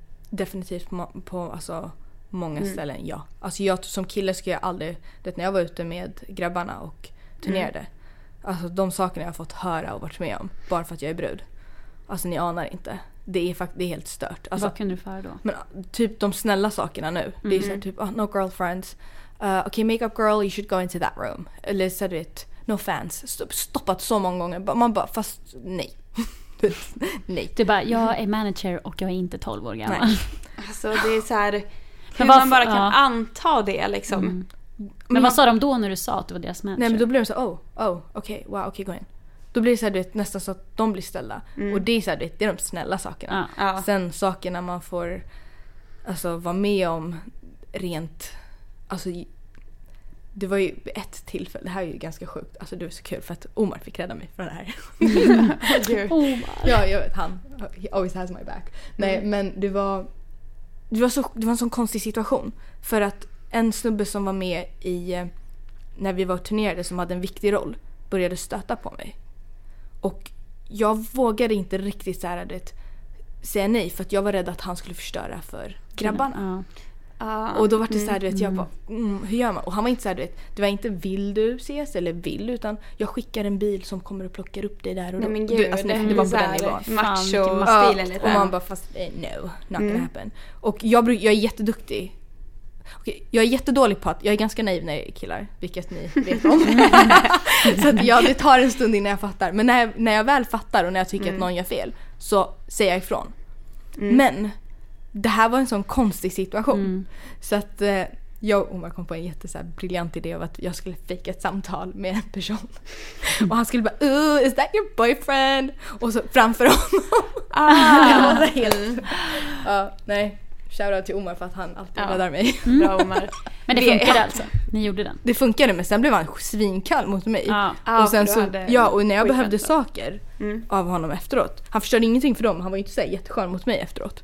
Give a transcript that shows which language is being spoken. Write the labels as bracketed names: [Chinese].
[Swedish] Definitivt på alltså, många ställen, ja. Alltså jag som kille skulle jag aldrig, det, när jag var ute med grabbarna och turnerade. Mm. Alltså de sakerna jag har fått höra och varit med om, bara för att jag är brud. Alltså ni anar inte. Det är helt stört. Alltså, vad kunde du föra då? Men, typ de snälla sakerna nu. Mm-hmm. Det är så här, typ, [English] oh, no girlfriends. Okay, makeup girl, you should go into that room. [Swedish] Eller så du vet, [English] no fans. [Swedish] Stoppat så många gånger. Man bara, fast nej. Nej. Du bara, jag är manager och jag är inte 12 år gammal. Alltså det är så här, hur man bara kan anta det liksom. Mm. Men vad sa de då när du sa att du var deras manager? Nej, men då blev de så här, oh, okej, okay, wow, okej, [English] okay, go in. [Swedish] Då blir det så här, vet, nästan så att de blir ställda. Mm. Och det är så här, vet, det är de snälla sakerna. Ja. Sen sakerna man får alltså vara med om rent, alltså det var ju ett tillfälle, det här är ju ganska sjukt. Alltså det var så kul för att Omar fick rädda mig från det här. Omar. Ja, jag vet, han, [English] he always has my back. [Swedish] Nej, men det var en sån konstig situation. För att en snubbe som var med i, när vi var turnerade, som hade en viktig roll, började stöta på mig. Och jag vågade inte riktigt så här, det, säga nej, för att jag var rädd att han skulle förstöra för grabbarna. Mm. Och då var det så här, du vet, jag bara, hur gör man? Och han var inte så här, du vet, det var inte vill du ses eller vill, utan jag skickar en bil som kommer och plockar upp dig där. Och nej, men gud, du, alltså, nej, det var på den nivån. Macho. Och man bara, fast [English] no, not gonna happen. [Swedish] Och jag är jätteduktig. Okay, jag är jättedålig på att, jag är ganska naiv när jag är killar, vilket ni vet om. Så att, ja, det tar en stund innan jag fattar. Men när jag väl fattar och när jag tycker att någon gör fel, så säger jag ifrån. Mm. Men det här var en sån konstig situation. Mm. Så att jag och Omar kom på en jättebriljant idé av att jag skulle fejka ett samtal med en person. Mm. Och han skulle bara, [English] "Ooh, is that your boyfriend?" [Swedish] Och så framför honom. Ah. Det var helt. Ja, nej. Shoutout till Omar för att han alltid räddar mig. Bra, Omar. Men det funkade alltså. Ni gjorde den. Det funkade, men sen blev han svinkall mot mig. Ah. Och sen så, ja, och när jag behövde saker av honom efteråt. Han förstörde ingenting för dem. Han var ju inte så jätteskön mot mig efteråt.